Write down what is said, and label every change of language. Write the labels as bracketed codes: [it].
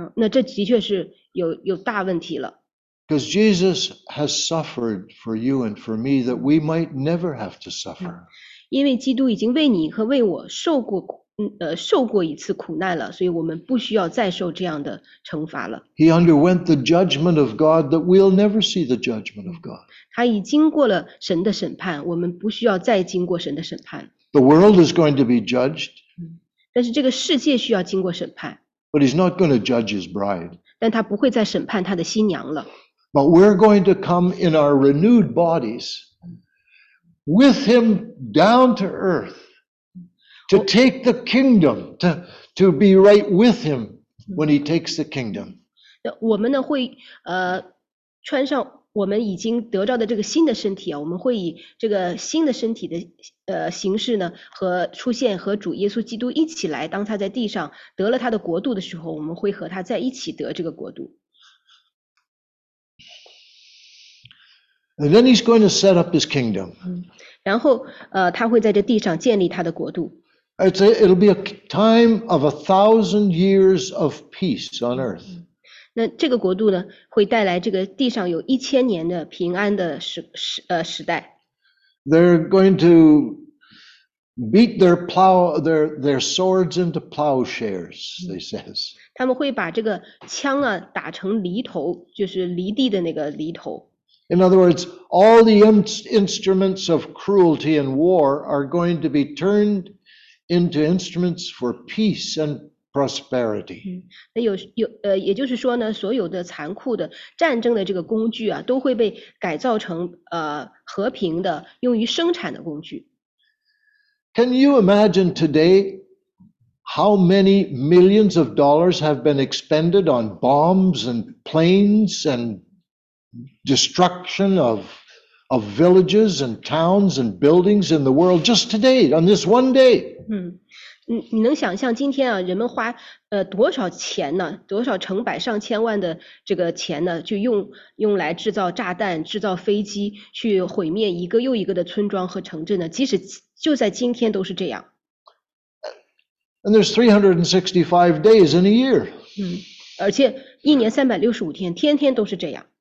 [zh] 那这的确是有大问题了。 [en] Because Jesus has suffered for you and for me that we might never have to suffer. [zh] 因为基督已经为你和为我受过一次苦难了，所以我们不需要再受这样的惩罚了。 [en] He underwent the judgment of God that we'll never see the judgment of God. [zh] 他已经过了神的审判，我们不需要再经过神的审判。 [en] The world is going to be judged. [zh] 但是这个世界需要经过审判。 [en] But he's not going to judge his bride. [zh] 但他不会再审判他的新娘了。 [en] But we're going to come in our renewed bodies with him down to earth. To take the kingdom, to be right with him when he takes the kingdom. [zh] 我们呢会穿上我们已经得到的这个新的身体啊，我们会以这个新的身体的形式呢和出现和主耶稣基督一起来。当他在地上得了他的国度的时候，我们会和他在一起得这个国度。 [en] And then he's going to set up his kingdom. [zh] 然后他会在这地上建立他的国度。 [en] It'll be a time of 1,000 years of peace on earth. [zh] 那这个国度呢，会带来这个地上有一千年的平安的时代。 [en] They're going to beat their plow, their swords into plowshares, they says. [zh] 他们会把这个枪啊打成犁头，就是犁地的那个犁头。 [en] In other words, all the instruments of cruelty and war are going to be turned into instruments for peace and prosperity. [zh] 那也就是说呢，所有的残酷的战争的这个工具啊，都会被改造成和平的用于生产的工具。 [en] Can you imagine today how many millions of dollars have been expended on bombs and planes and destruction of villages and towns and buildings in the world just today, on this one day? [zh] 嗯，你能想象今天啊，人们花多少钱呢？多少成百上千万的这个钱呢？就用来制造炸弹、制造飞机，去毁灭一个又一个的村庄和城镇呢？即使就在今天都是这样。 [en] And there's 365 days in a year. [zh] 而且一年365天，天天都是这样。